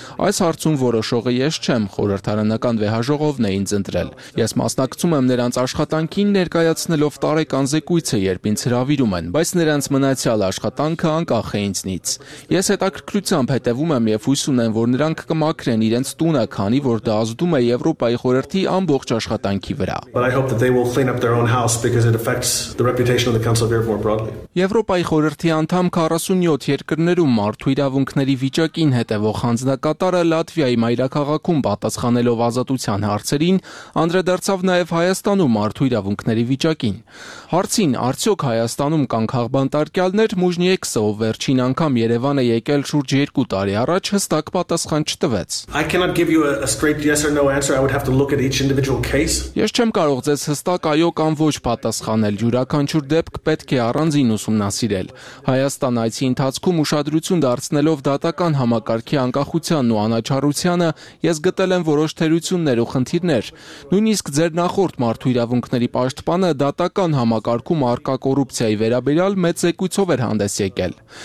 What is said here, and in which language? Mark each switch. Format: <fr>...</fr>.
<hy>Այս հարցում որոշողը ես չեմ, խորհրդարանական վեհաժողովն է ինձ ընտրել։ Ես մասնակցում եմ նրանց աշխատանքին, ներկայացնելով տարեկան զեկույցը, երբ ինձ հրավիրում են, բայց նրանց մնացյալ աշխատանքը անկախ է ինձնից։ Ես հետաքրքրությամբ հետևում եմ և հույս ունեմ, որ նրանք կմաքրեն իրենց տունը, քանի որ դա ազդում է Եվրոպայի խորհրդի ամբողջ աշխատանքի վրա։</hy> <en>The reputation of the Council of Europe more broadly.</en> <hy>Եվրոպայի խորհրդի անդամ 47 երկրներում մարդու իրավունքների վիճակին հետևող հանձնակատարը Լատվիայի մայրաքաղաքում պատասխանելով ազատության հարցերին անդրադարձավ նաև Հայաստանում մարդու իրավունքների վիճակին։ Հարցին, արդյոք Հայաստանում կան քաղբանտարկյալներ, Մուժնիեքսը, ով վերջին անգամ Երևան է եկել շուրջ 2 տարի առաջ, հստակ պատասխան չտվեց։</hy> <en>I cannot give you a straight yes or no answer. I would have to look at each individual case.</en> <hy>Ես չեմ կարող ձեզ հստակ այո կամ ոչ պատասխանել։ Յուրաքանչյուր դեպք պետք է առանձին ուսումնասիրել։ Հայաստան այցի ընթացքում ուշադրություն դարձնելով դատական համակարգի անկախությանն ու անաչառությանը, ես գտել եմ որոշ թերություններ ու խնդիրներ։ Նույնիսկ ձեր նախորդ մարդու իրավունքների պաշտպանը դատական համակարգում առկա կոռուպցիայի վերաբերյալ մեծ զեկույցով էր հանդես եկել։</hy>